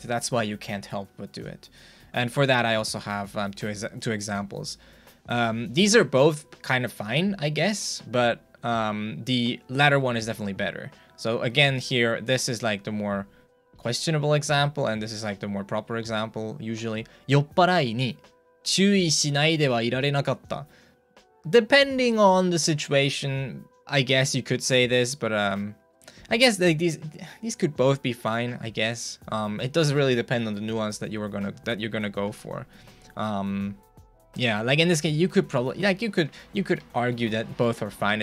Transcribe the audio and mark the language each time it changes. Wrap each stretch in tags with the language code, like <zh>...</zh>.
<en>That's why you can't help but do it. And for that, I also have two examples. These are both kind of fine, I guess. But the latter one is definitely better. So again, here, this is like the more questionable example. And this is like the more proper example, usually.</en> <ja>酔っ払いに注意しないではいられなかった.</ja> <en>Depending on the situation, I guess you could say this, but I guess like these could both be fine, I guess. It does really depend on the nuance that you're gonna go for. Like in this case, you could argue that both are fine.</en>